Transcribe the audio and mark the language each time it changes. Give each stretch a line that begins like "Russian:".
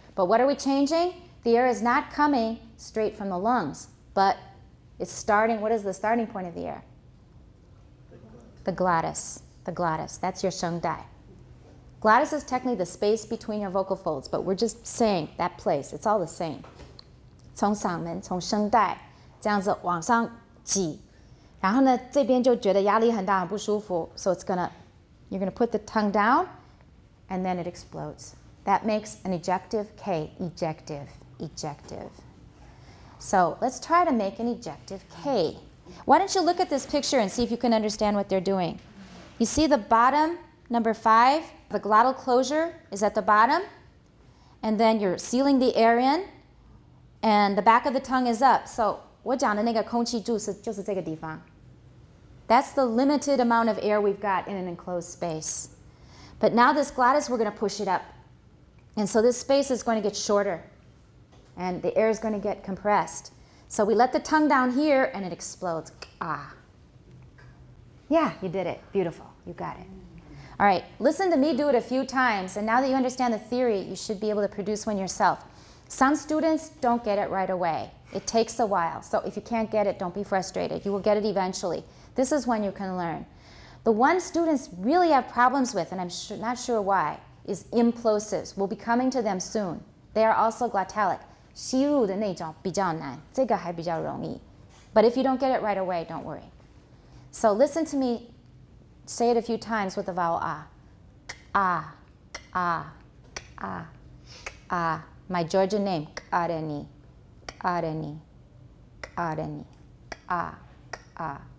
English: But what are we changing? The air is not coming straight from the lungs, but it's starting. What is the starting point of the air? The glottis. That's your sheng dai. Glottis is technically the space between your vocal folds, but we're just saying that place. It's all the same.
Chinese: 从嗓门，从声带，这样子往上挤，然后呢，这边就觉得压力很大，很不舒服。
English: So it's gonna, you're gonna put the tongue down, and then it explodes. That makes an ejective K. Ejective. So let's try to make an ejective K. Why don't you look at this picture and see if you can understand what they're doing? You see the bottom, number 5, the glottal closure is at the bottom, and then you're sealing the air in, and the back of the tongue is up.
Chinese: So 我讲的那个空气柱是就是这个地方。
English: That's the limited amount of air we've got in an enclosed space. But now this glottis, we're going to push it up. And so this space is going to get shorter. And the air is going to get compressed. So we let the tongue down here, and it explodes. Ah. Yeah, you did it. Beautiful. You got it. All right, listen to me do it a few times. And now that you understand the theory, you should be able to produce one yourself. Some students don't get it right away. It takes a while. So if you can't get it, don't be frustrated. You will get it eventually. This is when you can learn. The one students really have problems with, and I'm not sure why, is implosives. We'll be coming to them soon. They are also glottalic.
Chinese: 吸入的那种比较难，这个还比较容易。
English: But if you don't get it right away, don't worry. So listen to me, say it a few times with the vowel ah. Ah, ah, ah, ah. My Georgian name, Kareni, Kareni, Kareni, ah, ah.